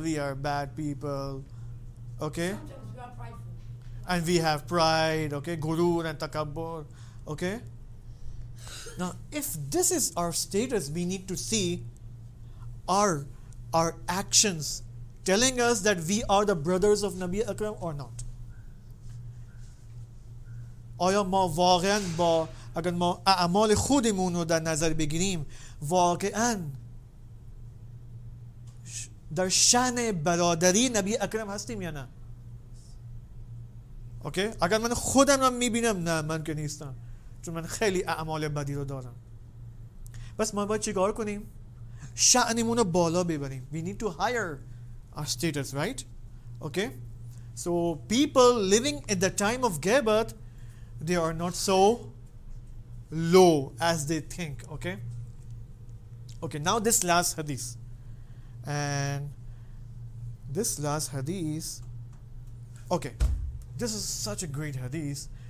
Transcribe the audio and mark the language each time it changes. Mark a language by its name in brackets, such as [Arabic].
[English] We are bad people. Okay? And we have pride. Okay? Gurur and takabbur. Okay? Now, if this is our status, we need to see our actions telling us that we are the brothers of Nabi Akram or not. [Persian] آیا ما واقعا با اگر ما اعمال خودمون رو در نظر بگیریم واقعا در شأن برادری نبی اکرم هستیم یا نه؟ اوکی؟ اگر من خودم رو میبینم نه من که نیستم. چون من خیلی اعمال بدی رو دارم. بس ما باید چیکار کنیم؟ شأنمون رو بالا ببریم. [English] We need to higher our status, right? Okay? So people living at the time of Ghaybat, they are not so low as they think. Okay? Okay, now this last hadith. And this last hadith, okay, this is such a great hadith.